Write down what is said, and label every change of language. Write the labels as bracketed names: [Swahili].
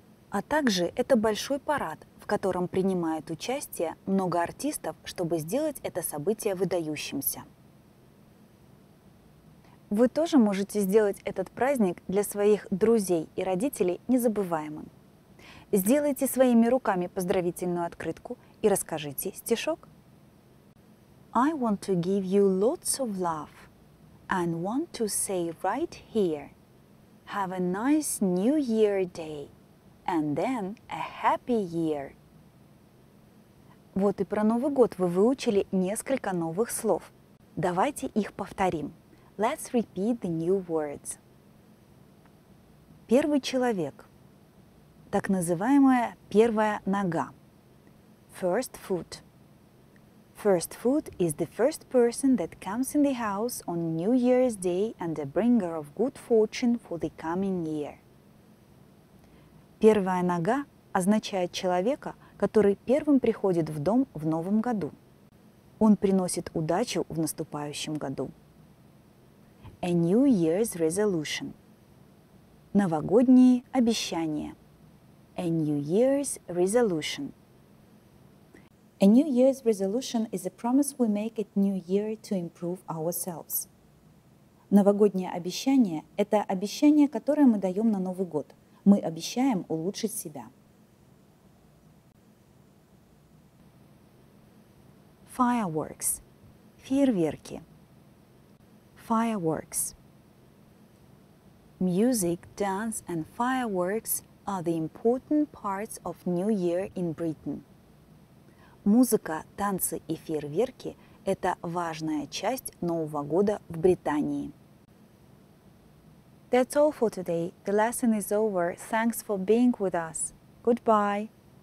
[Russian] А также это большой парад, в котором принимают участие много артистов, чтобы сделать это событие выдающимся. Вы тоже можете сделать этот праздник для своих друзей и родителей незабываемым. Сделайте своими руками поздравительную открытку и расскажите стишок. [English] I want to give you lots of love and want to say right here, have a nice New Year day and then a happy year. [Russian] Вот и про Новый год вы выучили несколько новых слов. Давайте их повторим. [English] Let's repeat the new words. [Russian] Первый человек. Так называемая первая нога. [English] First foot. First food is the first person that comes in the house on New Year's Day and a bringer of good fortune for the coming year. [Russian] Первая нога означает человека, который первым приходит в дом в новом году. Он приносит удачу в наступающем году. [English] A New Year's Resolution. [Russian] Новогодние обещания. [English] A New Year's Resolution. A New Year's Resolution is a promise we make at New Year to improve ourselves. [Russian] Новогоднее обещание – это обещание, которое мы даем на Новый год. Мы обещаем улучшить себя. [English] Fireworks – фейерверки. Fireworks. Music, dance and fireworks are the important parts of New Year in Britain. [Russian] Музыка, танцы и фейерверки – это важная часть Нового года в Британии. [English] That's all for today. The lesson is over. Thanks for being with us. Goodbye.